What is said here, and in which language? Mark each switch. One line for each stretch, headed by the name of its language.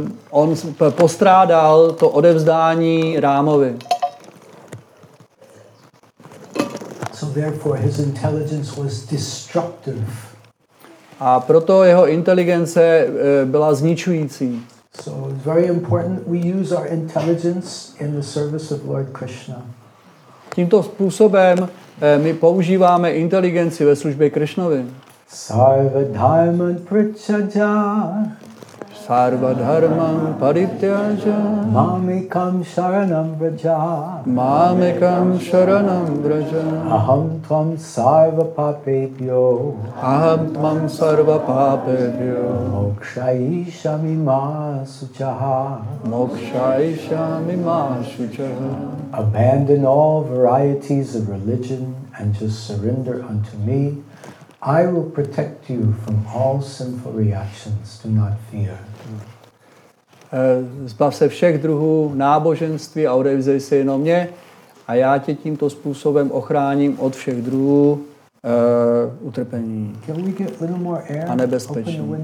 Czech: On postrádal to odevzdání Rámovi.
English: So therefore his intelligence was destructive.
Czech: A proto jeho inteligence byla zničující.
English: So it's very important we use our intelligence in the service of Lord Krishna.
Czech: Tímto způsobem my používáme inteligenci ve službě Krishnovi.
Sanskrit: Sarva dharma prachaja. Sarva dharma parityaja. Mamekam sharanam braja. Mamekam sharanam braja. Aham tvam sarva papebhyo. Aham tvam sarva papebhyo. Mokshayishami masuchah. Mokshayishami masuchah.
English: Abandon all varieties of religion and just surrender unto me. I will protect you from all sinful reactions. Do not fear.
Czech: Zbav se všech druhů náboženství a odevzdej se jenom mě a já tě tímto způsobem ochráním od všech druhů utrpení a nebezpečí.